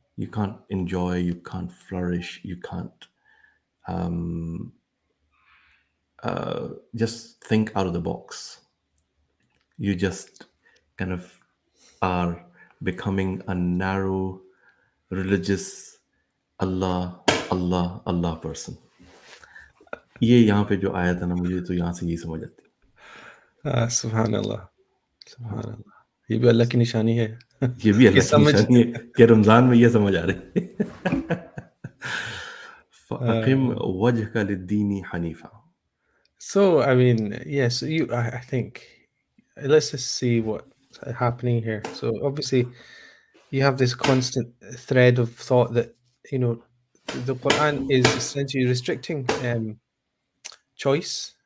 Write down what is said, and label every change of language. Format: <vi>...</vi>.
<en>You can't enjoy, you can't flourish, you can't just think out of the box. You just kind of are becoming a narrow religious Allah, Allah, Allah person.</en> <ur>یہ یہاں پہ جو آیا تھا نا، مجھے تو یہاں سے یہی سمجھ آتی، سبحان اللہ، سبحان اللہ، یہ بھی اللہ کی نشانی ہے، یہ بھی اللہ کی نشانی ہے کہ رمضان میں یہ سمجھ آ رہے،</ur> <ar>فَأَقِمْ وَجْهَكَ لِلدِّينِ حَنِيفًا۔</ar> <en>So I mean, yes, I think let's just see what's happening here. So obviously you have this constant thread of thought that, you know, the Quran is essentially restricting choice.</en>